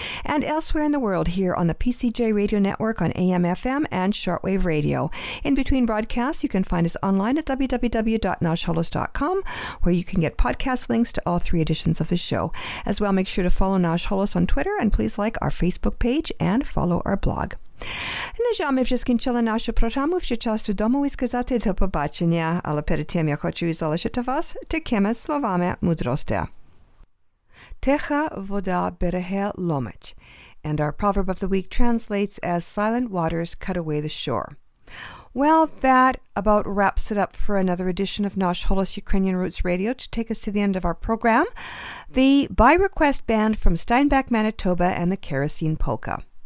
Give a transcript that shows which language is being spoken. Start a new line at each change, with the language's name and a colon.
English: And elsewhere in the world here on the PCJ Radio Network on AM FM and Shortwave Radio. In between broadcasts, you can find us online at www.nashholos.com. where you can get podcast links to all three editions of the show. As well, make sure to follow Nash Holos on Twitter and please like our Facebook page and follow our blog.
Ukrainian: На жаль, ми вже скінчили нашу програму. Вже час додому і сказати до побачення. Але перед тим я хочу залишити вас такими словами мудрості. Теха вода береге ломить.
English: And our proverb of the week translates as silent waters cut away the shore. Well, that about wraps it up for another edition of Nash Holos Ukrainian Roots Radio to take us to the end of our program. The By Request Band from Steinbeck, Manitoba and the Kerosene Polka.